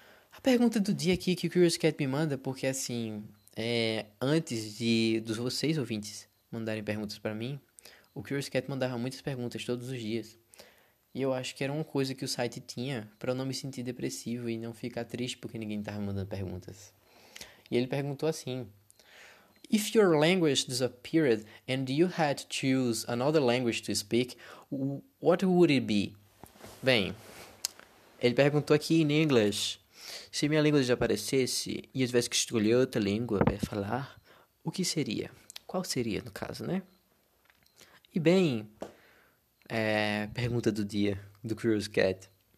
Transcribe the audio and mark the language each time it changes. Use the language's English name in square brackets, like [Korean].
[Portuguese] A pergunta do dia aqui que o Curious Cat me manda, porque assim, antes de dos vocês ouvintes mandarem perguntas para mim, o Curious Cat mandava muitas perguntas todos os dias. E eu acho que era uma coisa que o site tinha para eu não me sentir depressivo e não ficar triste porque ninguém tava me mandando perguntas. E ele perguntou assim: [English] if your language disappeared and you had to choose another language to speak, what would it be? [Portuguese] Bem, ele perguntou aqui em inglês: se minha língua desaparecesse e eu tivesse que escolher outra língua para falar, o que seria? Qual seria, no caso, né? E bem, pergunta do dia do Curious Cat.